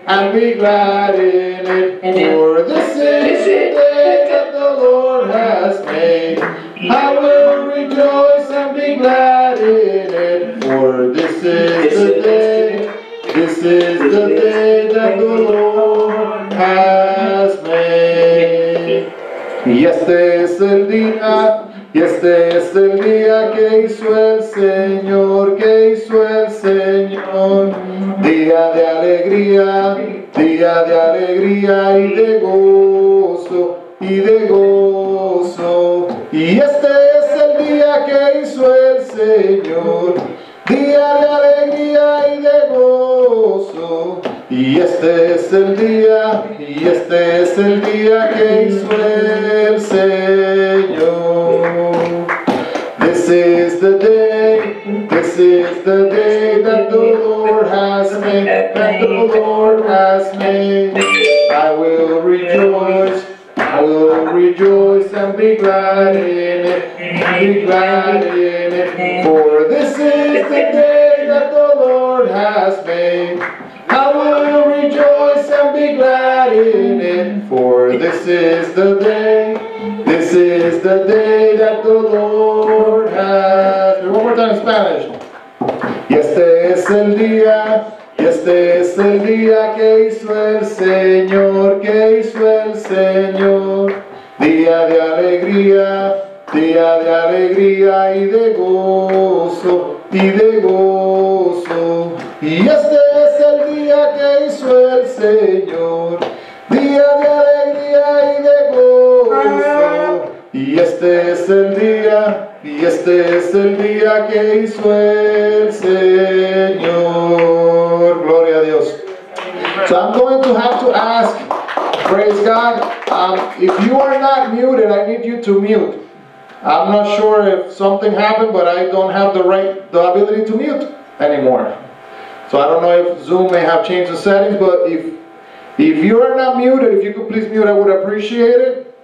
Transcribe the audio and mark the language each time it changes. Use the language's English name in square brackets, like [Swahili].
[English] And be glad in it. For this is the day that the Lord has made. I will rejoice and be glad in it. For this is the day. This is the day that the Lord has made. [Spanish] Y este es el día. Y este es el día que hizo el Señor, que hizo el Señor. Día de alegría, día de alegría y de gozo, y de gozo. Y este es el día que hizo el Señor, día de alegría y de gozo. Y este es el día, y este es el día que hizo el Señor. [English] This is the day, this is the day that the Lord has made, that the Lord has made. I will rejoice, I will rejoice and be glad in it, be glad in it. For this is the day that the Lord has made. I will rejoice and be glad in it. For this is the day, this is the day that the Lord has made. One more time in Spanish. [Spanish] Y este es el día. Y este es el día que hizo el Señor, que hizo el Señor. Día de alegría, día de alegría y de gozo, y de gozo. Y este es el día que hizo el Señor, día de alegría y de gozo. Y este es el día, y este es el día que hizo el Señor. Gloria a Dios. [English] So I'm going to have to ask, praise God, if you are not muted, I need you to mute. I'm not sure if something happened, but I don't have the ability to mute anymore. So I don't know if Zoom may have changed the settings, but if you are not muted, if you could please mute, I would appreciate it.